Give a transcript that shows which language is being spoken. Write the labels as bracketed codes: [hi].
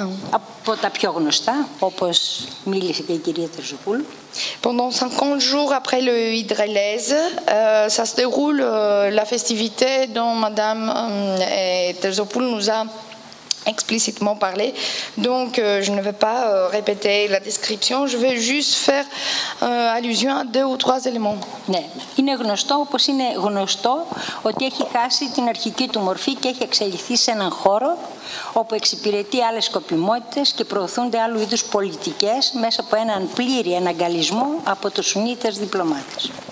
[el] Από τα πιο γνωστά, όπως μίλησε και η κυρία Τερζοπούλου. [fr] Pendant 50 jours après le Ιντερλέζ, ça se déroule la festivité dont madame Τερζοπούλου nous a explicitement parlé, donc je ne vais pas répéter la description, je vais juste faire allusion à deux ou trois éléments. [el] Ναι, είναι γνωστό, όπως είναι γνωστό, ότι έχει χάσει την αρχική του μορφή και έχει εξελιχθεί σε έναν χώρο όπου εξυπηρετεί άλλες σκοπιμότητες και προωθούνται άλλου είδους πολιτικές μέσα από έναν πλήρη εναγκαλισμό από τους Σουνίτες διπλωμάτες.